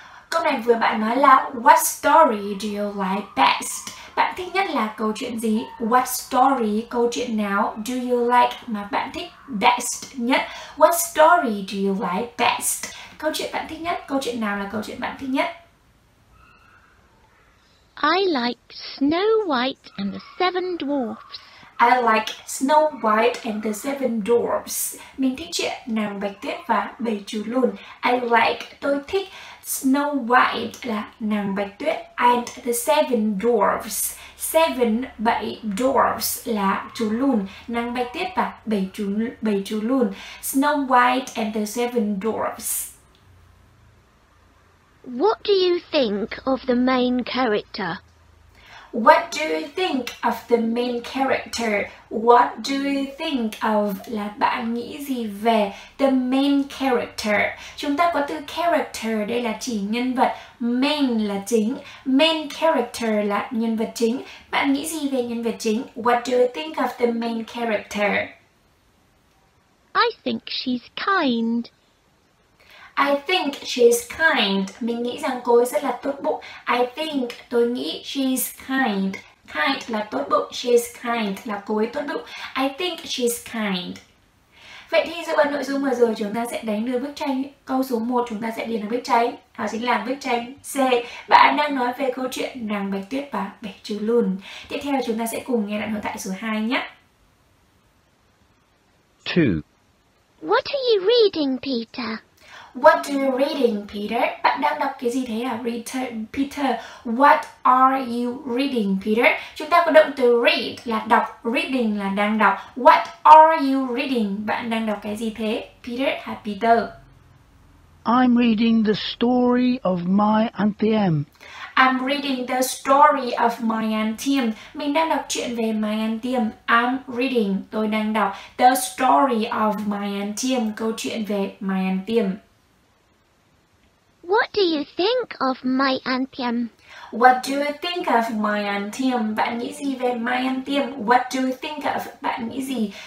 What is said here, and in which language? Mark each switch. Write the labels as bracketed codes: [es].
[vi] Câu này vừa bạn nói là [en] what story do you like best? [vi] Bạn thích nhất là câu chuyện gì? [en] What story, [vi] câu chuyện nào [en] do you like [vi] mà bạn thích best nhất? [en] What story do you like best? [vi] Câu chuyện bạn thích nhất, câu chuyện nào là câu chuyện bạn thích nhất? [en] I like Snow White and the Seven Dwarfs. I like Snow White and the Seven Dwarfs. [vi] Mình thích chuyện nàng bạch tuyết và bầy chú lùn. [en] I like, [vi] tôi thích Snow White là nàng bạch tuyết, [en] and the Seven Dwarfs. [vi] Seven, bảy dwarfs là chú lùn, nàng bạch tuyết và bảy chú lùn. [en] Snow White and the Seven Dwarfs. What do you think of the main character? What do you think of the main character? What do you think of [vi] là bạn nghĩ gì về [en] the main character? [vi] Chúng ta có từ character, đây là chỉ nhân vật. Main là chính. [en] Main character [vi] là nhân vật chính. Bạn nghĩ gì về nhân vật chính? [en] What do you think of the main character? I think she's kind. I think she's kind. [vi] Mình nghĩ rằng cô ấy rất là tốt bụng. [en] I think, [vi] tôi nghĩ [en] she's kind. [vi] Kind là tốt bụng, she's kind là cô ấy tốt bụng. [en] I think she's kind. [vi] Vậy thì dựa vào nội dung vừa rồi chúng ta sẽ đánh đưa bức tranh. Câu số 1 chúng ta sẽ điền vào bức tranh. Đó chính là bức tranh C. Bạn đang nói về câu chuyện nàng bạch tuyết và bẻ chú lùn. Tiếp theo chúng ta sẽ cùng nghe đoạn hội thoại số 2 nhé. 2. [en] What are you reading, Peter? What are you reading, Peter? [vi] Bạn đang đọc cái gì thế à? [en] Peter, what are you reading, Peter? [vi] Chúng ta có động từ read là đọc, reading là đang đọc. [en] What are you reading? [vi] Bạn đang đọc cái gì thế? Peter hay Peter? [en] I'm reading the story of my Auntie Em. I'm reading the story of my Auntie Em. [vi] Mình đang đọc chuyện về [en] my Auntie Em. I'm reading, [vi] tôi đang đọc. [en] The story of my Auntie Em, [vi] câu chuyện về [en] my Auntie Em. What do you think of my anthem? What do you think of my anthem? [vi] Bạn nghĩ gì về [en] my anthem? What do you think of? [vi] Bạn nghĩ gì?